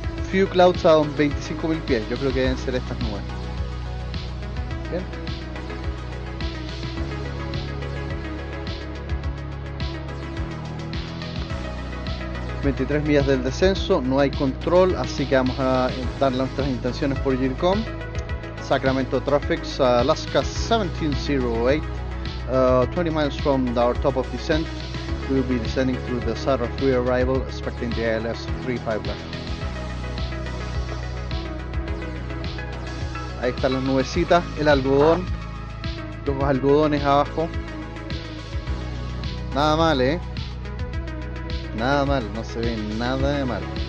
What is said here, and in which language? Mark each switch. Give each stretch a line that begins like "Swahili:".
English: Few clouds
Spanish: a 25.000 pies, yo creo que deben ser estas nubes. Bien. ...23 millas del descenso, no hay control, así que vamos a dar nuestras intenciones por Gircom.
English: Sacramento Traffic, Alaska 1708, 20 miles from our top of descent, we'll be descending through the SAR of re-arrival, expecting the ILS 35 left.
Spanish: Ahí están las nubecitas, el algodón, los algodones abajo. Nada mal, nada mal, no se ve nada de mal.